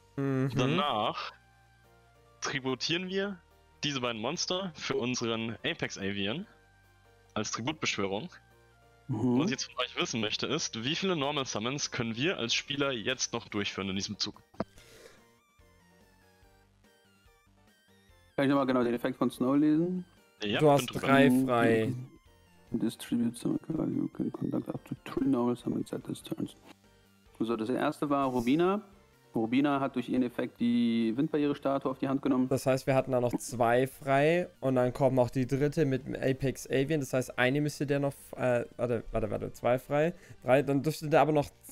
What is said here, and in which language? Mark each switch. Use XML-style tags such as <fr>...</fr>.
<de>Danach tributieren wir diese beiden Monster für unseren Apex Avian als Tributbeschwörung. Was ich jetzt von euch wissen möchte, ist, wie viele Normal Summons können wir als Spieler jetzt noch durchführen in diesem Zug? Kann ich nochmal genau den Effekt von Snow lesen? Ja, du hast 3 frei.</de> <en>Distribute Summon Card, you can conduct up to 3 normal summons at this turn.</en> <de>So, das erste war Rubina. Rubina hat durch ihren Effekt die Windbarriere-Statue auf die Hand genommen. Das heißt, wir hatten da noch 2 frei und dann kommt noch die dritte mit dem Apex Avian. Das heißt, eine müsste der noch. 2 frei. 3, dann dürfte der aber noch.</de>